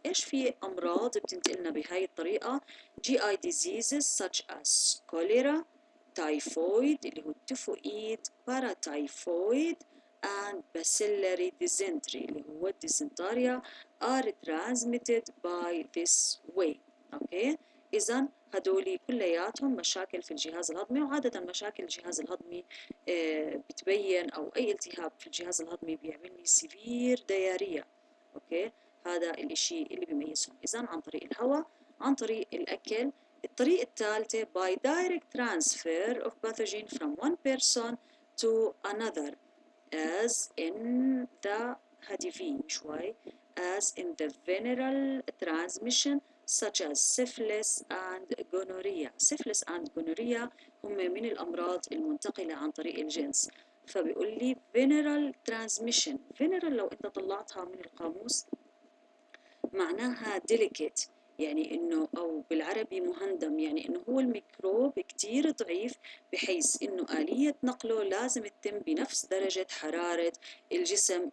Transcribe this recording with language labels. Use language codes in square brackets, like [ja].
[ar] ايش في امراض بتنتقلنا بهاي الطريقه؟ جي اي ديزيزز ساتش اس كوليرا، تايفويد اللي هو التيفويد، باراتايفويد [en] and bacillary dysentery [ar] اللي هو الديزنتاريا، [en] are transmitted by this way. okay [ar] إذن هدولي كلياتهم مشاكل في الجهاز الهضمي، وعادة مشاكل الجهاز الهضمي بتبين، أو أي التهاب في الجهاز الهضمي بيعملني سيفير دياريا. أوكي، هذا الإشي اللي بيميزهم، إذا عن طريق الهواء، عن طريق الأكل. الطريقة الثالثة [en] by direct transfer of pathogen from one person to another as in the [ar] هديفين شوي، [en] as in the venereal transmission such as syphilis and gonorrhea. syphilis and gonorrhea [ar] هم من الأمراض المنتقلة عن طريق الجنس. فبيقول لي [en] venereal transmission. [ar] venereal لو أنت طلعتها من القاموس معناها delicate، يعني إنه، أو بالعربي مهندم، يعني إنه هو الميكروب كتير ضعيف، بحيث إنه آلية نقله لازم تتم بنفس درجة حرارة الجسم.